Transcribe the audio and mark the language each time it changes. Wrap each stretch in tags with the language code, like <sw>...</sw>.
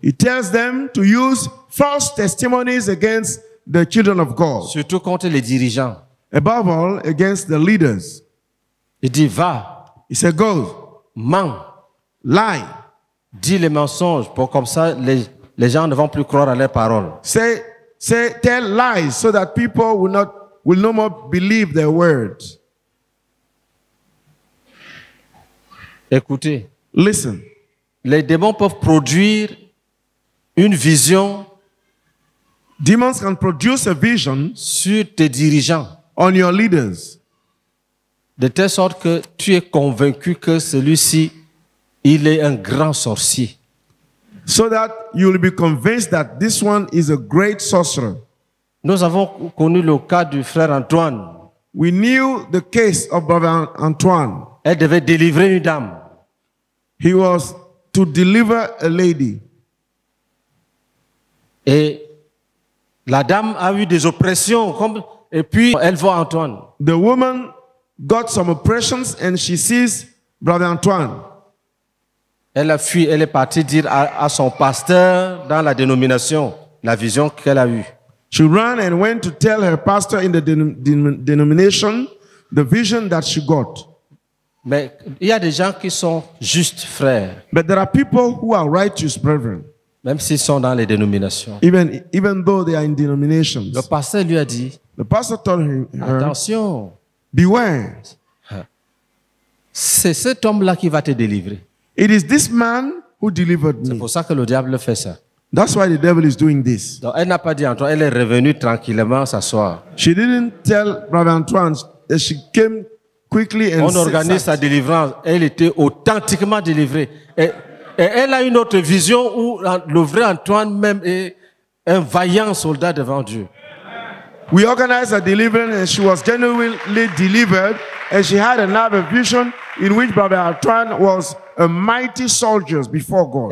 <en>He tells them to use false testimonies against the children of God.</en> <fr>Surtout contre les dirigeants.</fr> <en>Above all, against the leaders.</en> <fr>Il dit, va.</fr> <en>He said, go.</en> <fr>Ment.</fr> <en>Lie.</en> <fr>Dis les mensonges pour comme ça les gens ne vont plus croire à leurs paroles.</fr> <en>Say, tell lies so that people will no more believe their words.</en> <fr>Écoutez.</fr> <en>Listen.</en> <fr>Les démons peuvent produire une vision.</fr> <en>Demons can produce a vision</en> <fr>sur tes dirigeants.</fr> <en>On your leaders.</en> <fr>De telle sorte que tu es convaincu que celui-ci, il est un grand sorcier.</fr> <en>So that you will be convinced that this one is a great sorcerer.</en> <fr>Nous avons connu le cas du frère Antoine.</fr> <en>We knew the case of Brother Antoine.</en> <fr>Elle devait délivrer une dame.</fr> <en>He was to deliver a lady.</en> <fr>Et la dame a eu des oppressions comme... Et puis elle voit Antoine.</fr> <en>The woman got some oppressions and she sees Brother Antoine.</en> <fr>Elle a fui, elle est partie dire à son pasteur dans la dénomination la vision qu'elle a eue.</fr> <en>She ran and went to tell her pastor in the denomination the vision that she got.</en> <fr>Mais il y a des gens qui sont justes, frères.</fr> <en>But there are people who are righteous, brethren.</en> <fr>Même s'ils sont dans les dénominations.</fr> <en>Even though they are in denominations.</en> <fr>Le pasteur lui a dit.</fr> <en>The pastor told her,</en> <fr>attention.</fr> <en>Beware.</en> <fr>C'est cet homme-là qui va te délivrer.</fr> <en>It is this man who delivered me.</en> <fr>C'est pour ça que le diable fait ça.</fr> <en>That's why the devil is doing this.</en> <fr>Donc, elle n'a pas dit Antoine, elle est revenue tranquillement s'asseoir.</fr> <en>She didn't tell Brother Antoine that she came quickly and</en> <fr>on organise sa délivrance. Elle était authentiquement délivrée. Et elle a une autre vision où le vrai Antoine même est un vaillant soldat devant Dieu.</fr> <en>We organized a deliverance and she was genuinely delivered and she had another vision in which Brother Antoine was a mighty soldier before God.</en>